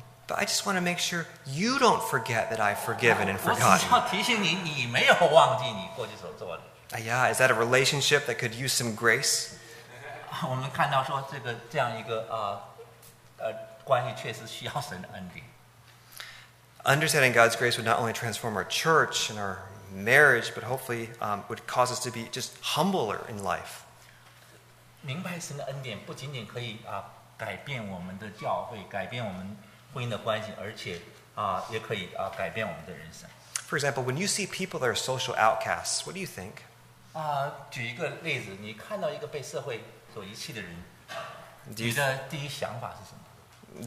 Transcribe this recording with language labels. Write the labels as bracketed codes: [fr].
[en] But I just want to make sure you don't forget that I've forgiven and forgotten. [zh] 我只想提醒你，你没有忘记你过去所做的。 [en] 哎呀， is that a relationship that could use some grace? [zh] 我们看到说这样一个关系确实需要神的恩典。 [en] Understanding God's grace would not only transform our church and our marriage, but hopefully would cause us to be just humbler in life. [zh] 明白神的恩典不仅仅可以改变我们的教会，改变我们婚姻的关系，而且也可以改变我们的人生。 [en] For example, when you see people that are social outcasts, what do you think? [zh] 举一个例子，你看到一个被社会所遗弃的人，你的第一想法是什么？